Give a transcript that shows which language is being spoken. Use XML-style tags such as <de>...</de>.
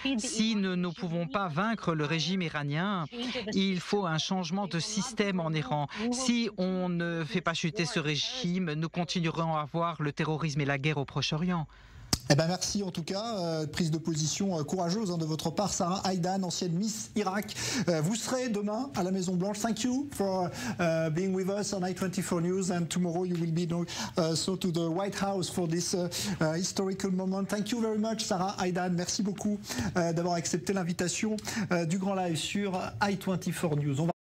<fr>Si nous ne pouvons pas vaincre le régime iranien, il faut un changement de système en Iran. Si on ne fait pas chuter ce régime, nous continuerons à voir le terrorisme et la guerre au Proche-Orient. Eh ben merci en tout cas, prise de position courageuse de votre part, Sarah Aydan, ancienne Miss Irak. Vous serez demain à la Maison Blanche.</fr> <en>Thank you for being with us on i24 News, and tomorrow you will be so to the White House for this historical moment. Thank you very much, Sarah Aydan.</en> <fr>Merci beaucoup d'avoir accepté l'invitation du Grand Live sur i24 News. On va</fr>